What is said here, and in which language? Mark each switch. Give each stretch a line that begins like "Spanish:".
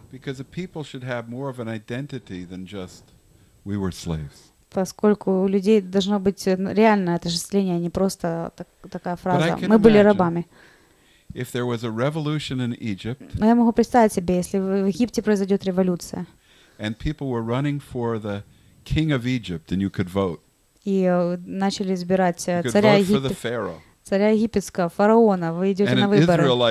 English: Because the people should have more of an identity than just we were slaves.
Russian: Поскольку у людей должно быть реальное отождествление, а не просто такая фраза. Мы были рабами.
English: If there was a revolution in Egypt.
Russian: Но я могу представить себе, если в Египте произойдет революция.
English: And people were running for the king of Egypt, and you could vote.
Russian: И начали избирать царя Египта. Царя египетского, фараона, вы идете на выборы.